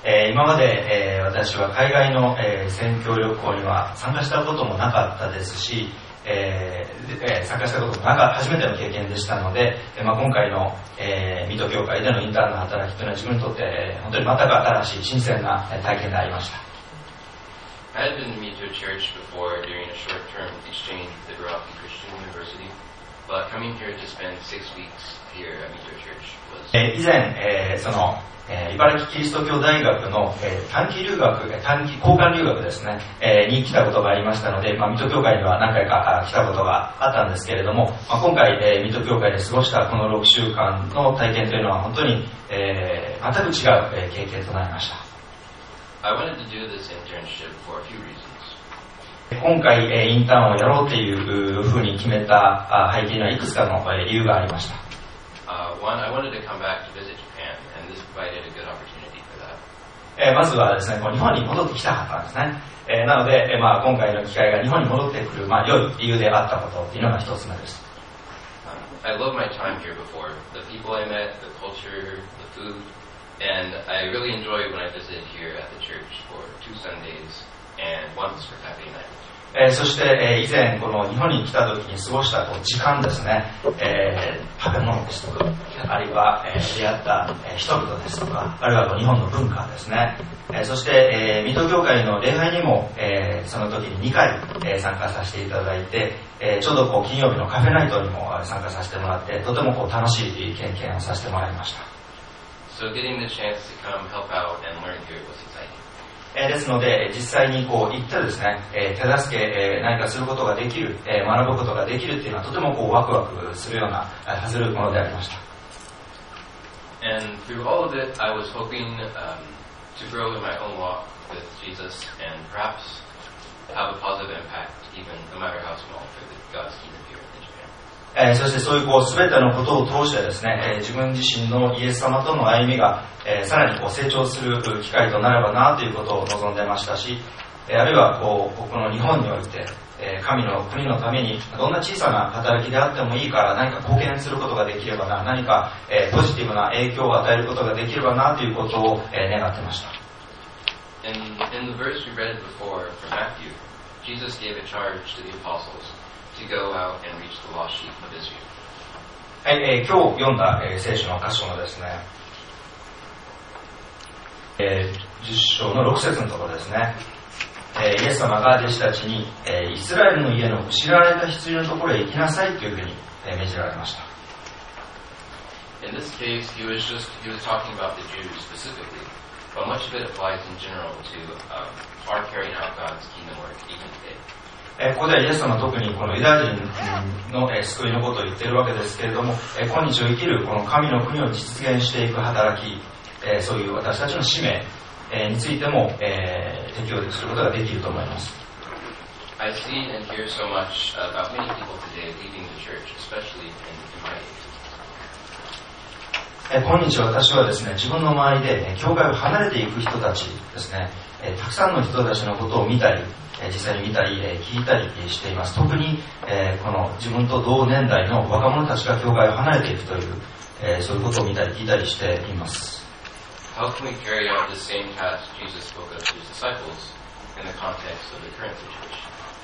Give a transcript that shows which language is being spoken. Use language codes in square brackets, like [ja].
[ja] 今まで私は海外の宣教旅行には参加したこともなかったですし、参加したこともなかった初めての経験でしたので、今回のミト教会でのインターンの働きというのは自分にとって本当に全く新しい新鮮な体験でありました。 [en] I had been to Mito Church before during a short-term exchange with the Rocky Christian University, but coming here to spend 6 weeks here at Mito Church was. [ja] 以前、その、茨城キリスト教大学の、短期留学、短期交換留学ですね、に来たことがありましたので、ミト教会には何回か来たことがあったんですけれども、今回、ミト教会で過ごしたこの6週間の体験というのは本当に、全く違う、経験となりました。 [en] I wanted to do this internship for a few reasons. [ja] 今回、インターンをやろうというふうに決めた背景にはいくつかの理由がありました。 [en] One, I wanted to come back to visit Japan, and this provided a good opportunity for that. [ja] まずはですね、日本に戻ってきたかったんですね。なので、今回の機会が日本に戻ってくる、良い理由であったことというのが一つ目です。 [en] I loved my time here before. The people I met, the culture, the food. And I really enjoy when I visit here at the church for two Sundays and once for Happy Night. [ja] そして、以前この日本に来た時に過ごしたこう時間ですね、食べ物ですとか、あるいは、出会った人々ですとか、あるいはこう日本の文化ですね。そして、水戸教会の礼拝にも、その時に2回、参加させていただいて、ちょうどこう金曜日のカフェナイトにも参加させてもらって、とてもこう楽しい経験をさせてもらいました。 [en] So getting the chance to come help out and learn here was exciting. [ja] ですので実際にこう行ってですね、手助け何かすることができる、学ぶことができるっていうのはとてもこうワクワクするような弾むものでありました。 [en] And through all of it, I was hoping, to grow in my own walk with Jesus and perhaps have a positive impact, even no matter how small, for the God's kingdom. [ja] そしてそういうこう全てのことを通してですね、自分自身のイエス様との歩みが、さらにこう成長する機会となればなということを望んでましたし、あるいはこうこの日本において、神の国のためにどんな小さな働きであってもいいから何か貢献することができればな、何か、ポジティブな影響を与えることができればなということを、願ってました。 [en] In the verse we read before from Matthew, Jesus gave a charge to the apostlesTo go out and reach the lost sheep of Israel. [ja] はい、今日読んだ、聖書の箇所のですね、10章の6節のところですね、イエス様が弟子たちに、イスラエルの家の失われた羊のところへ行きなさいというふうに、命じられました。 [en] In this case, he was talking about the Jews specifically, but much of it applies in general to our carrying out God's kingdom work even today. [ja] ここではイエス様は特にこのユダヤ人の救いのことを言っているわけですけれども、今日を生きるこの神の国を実現していく働き、そういう私たちの使命についても適用することができると思います。 [en] I see and hear so much about many people today leaving the church, especially in my age. [ja] 今日私はですね、自分の周りで教会を離れていく人たちですね、たくさんの人たちのことを見たり、実際に見たり聞いたりしています。特にこの自分と同年代の若者たちが教会を離れていくという、そういうことを見たり聞いたりしています。 [en] How can we carry out the same task Jesus spoke of to his disciples in the context of the current situation?